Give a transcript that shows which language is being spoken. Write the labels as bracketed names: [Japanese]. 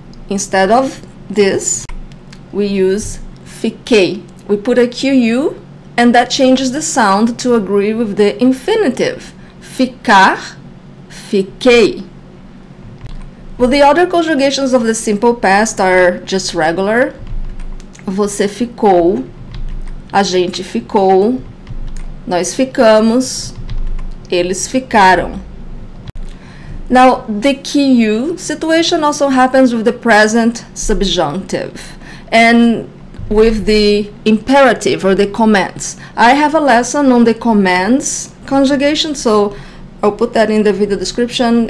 [English] Instead of this, we use fiquei. We put a QU and that changes the sound to agree with the infinitive. Ficar, fiquei. Well, the other conjugations of the simple past are just regular. [Portuguese] Você ficou, a gente ficou, nós ficamos, eles ficaram. [English] Now, the QU situation also happens with the present subjunctive and with the imperative or the commands. I have a lesson on the commands conjugation, so I'll put that in the video description.